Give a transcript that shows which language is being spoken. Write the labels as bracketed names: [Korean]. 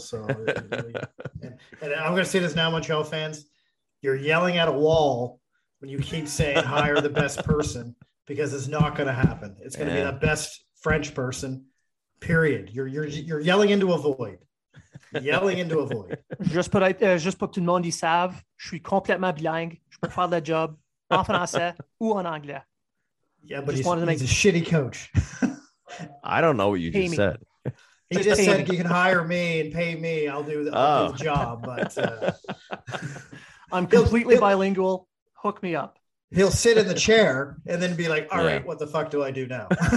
[English] So, and I'm going to say this now, Montreal fans: you're yelling at a wall when you keep saying hire the best person, because it's not going to happen. It's going to be the best French person. Period. You're yelling into a void. Yelling into a void. Just [French] pour tout le monde y savent, je suis complètement bilingue. Je peux faire le job en français ou en anglais. [English] Yeah, but he's a shitty coach. I don't know what you just said. He just said you can hire me and pay me. I'll do the job. But I'm completely bilingual. Hook me up. He'll sit in the chair and then be like, all right, what the fuck do I do now?